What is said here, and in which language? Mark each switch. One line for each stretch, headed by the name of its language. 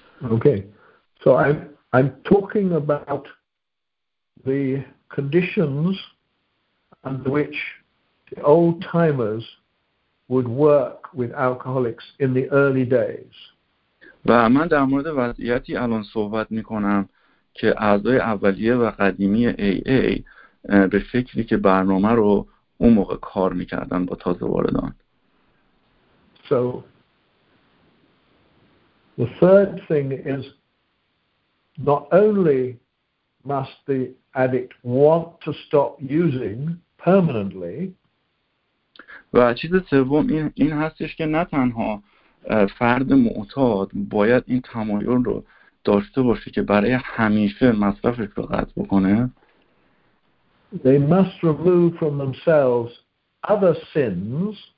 English: Okay. So I am talking about the conditions and which the old timers would work with alcoholics in the early days.
Persian: و من در مورد وضعیتی الان صحبت میکنم که اعضای اولیه و قدیمی AA به فکری که برنامه رو اون موقع کار میکردن با تازه واردان.
English: So the third thing is not only must the addict want to stop using permanently.
Persian: و چیز سوم این هستش که نه تنها فرد معتاد باید این تمایل رو داشته باشه که برای همیشه مصرفش رو قطع بکنه.
English: They must remove from themselves other sins.